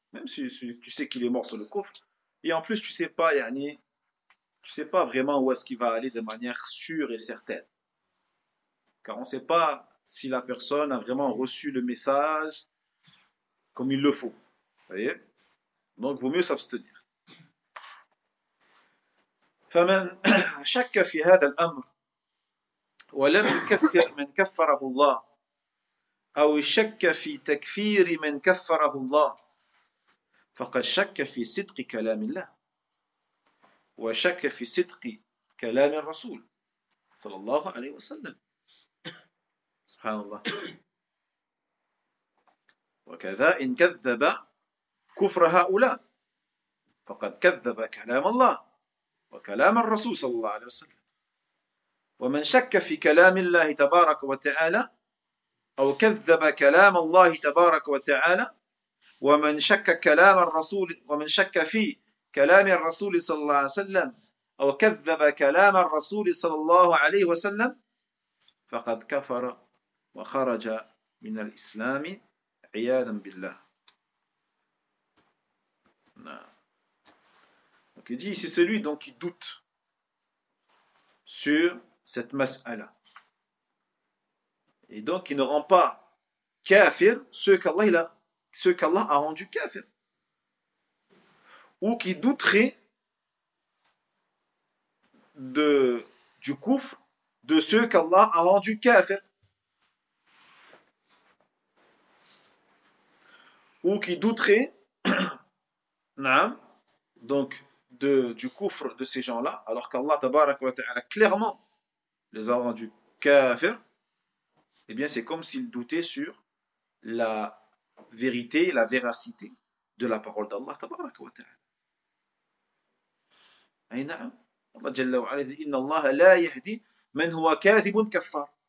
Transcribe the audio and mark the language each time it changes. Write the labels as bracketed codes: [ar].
[fr] Même si tu sais qu'il est mort sur le couf. Et en plus, tu ne sais pas, yani. Tu ne sais pas vraiment où est-ce qu'il va aller de manière sûre et certaine. Car on ne sait pas si la personne a vraiment reçu le message comme il le faut. Vous voyez? Donc, il vaut mieux s'abstenir. [ar] فَمَنْ شَكَّ فِي هَذَا الْأَمْرِ وَلَمْ يُكَفِّرْ مَنْ كَفَّرَهُ اللَّهِ أَوْ شَكَّ فِي تَكْفِيرِ مَنْ كَفَّرَهُ اللَّهِ فَقَدْ شَكَّ فِي صِدْقِ كَلَامِ اللَّهِ وشك في صدق كلام الرسول صلى الله عليه وسلم سبحان الله وكذا إن كذب كفر هؤلاء فقد كذب كلام الله وكلام الرسول صلى الله عليه وسلم ومن شك في كلام الله تبارك وتعالى أو كذب كلام الله تبارك وتعالى ومن شك كلام الرسول ومن شك في كلام الرسول صلى الله عليه وسلم أو كذب كلام الرسول صلى الله عليه وسلم فقد كفر وخرج من الإسلام عياذا بالله. نعم. [fr] Donc il dit c'est celui donc qui doute sur cette masala et donc qui ne rend pas kafir ceux qu'Allah a rendu kafir. Ou qui douterait du kufr de ceux qu'Allah a rendu kafir. Ou qui douterait donc du kufr de ces gens-là, alors qu'Allah tabarak wa ta'ala clairement les a rendus kafir, eh bien c'est comme s'ils doutaient sur la vérité, la véracité de la parole d'Allah tabarak wa ta'ala. [ar] أي نعم الله جل وعلا إن الله لا يهدي من هو كاذب كفار.